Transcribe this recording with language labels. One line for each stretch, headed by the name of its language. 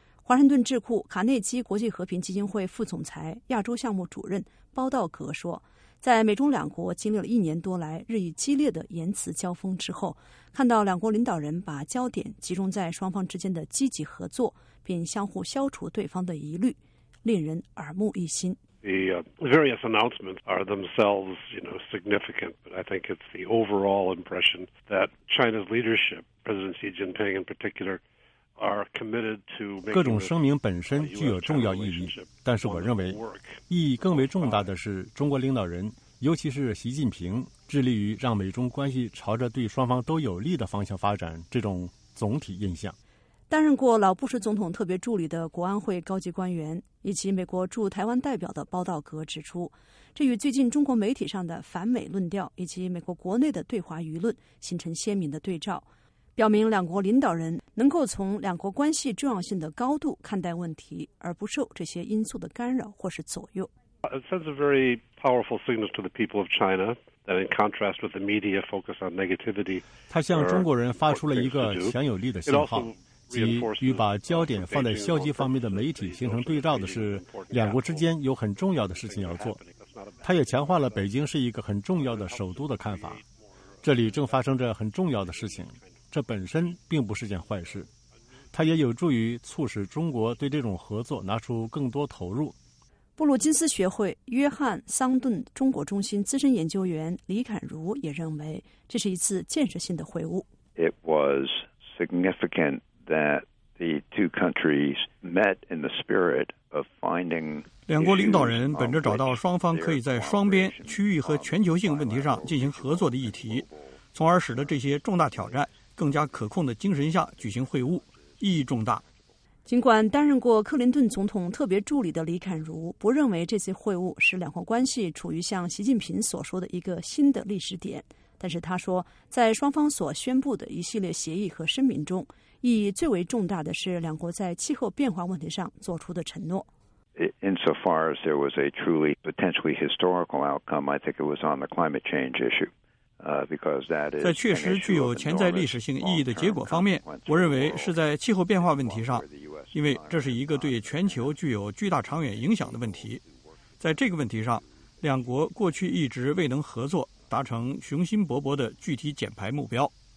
Chinese: 华盛顿智库卡内基国际和平基金会副总裁、亚洲项目主任包道格说，在美中两国经历了1年多来日益激烈的言辞交锋之后，看到两国领导人把焦点集中在双方之间的积极合作，并相互消除对方的疑虑，令人耳目一新。
English: The various announcements are themselves, you know, significant, but I think it's the overall impression that China's leadership, President Xi Jinping in particular, are committed to making
Chinese: this. 各种声明本身具有重要意义，但是我认为意义更为重大的是中国领导人，尤其是习近平，致力于让美中关系朝着对双方都有利的方向发展这种总体印象。担任过老布什总统特别助理的国安会高级官员以及美国驻台湾代表的包道格指出，这与最近中国媒体上的反美论调以及美国国内的对华舆论形成鲜明的对照，表明两国领导人能够从两国关系重要性的高度看待问题，而不受这些因素的干扰或是左右。
English: It sends a very powerful signal to the people of China that, in contrast with the media focus on negativity,
Chinese: 它向中国人发出了一个强有力的信号，即与把焦点放在消极方面的媒体形成对照的是，两国之间有很重要的事情要做。它也强化了北京是一个很重要的首都的看法，这里正发生着很重要的事情，这本身并不是件坏事。它也有助于促使中国对这种合作拿出更多投入。布鲁金斯学会约翰·桑顿中国中心资深研究员李侃如也认为，这是一次建设性的会晤。
English: It was significant that the two countries met in the spirit of finding.
Chinese: 两国领导人本着找到双方可以在双边、区域和全球性问题上进行合作的议题，从而使得这些重大挑战更加可控的精神下举行会晤，意义重大。尽管担任过克林顿总统特别助理的李侃如不认为这次会晤使两国关系处于像习近平所说的一个新的历史点，但是他说，在双方所宣布的一系列协议和声明中，意义最为重大的是两国在气候变化问题上做出的承诺。
English: Insofar as there was a truly potentially historical outcome, I think it was on the climate change issue.
Chinese: 在确实具有潜在历史性意义的结果方面，我认为是在气候变化问题上，因为这是一个对全球具有巨大长远影响的问题。在这个问题上，两国过去一直未能合作，达成雄心勃勃的具体减排目标。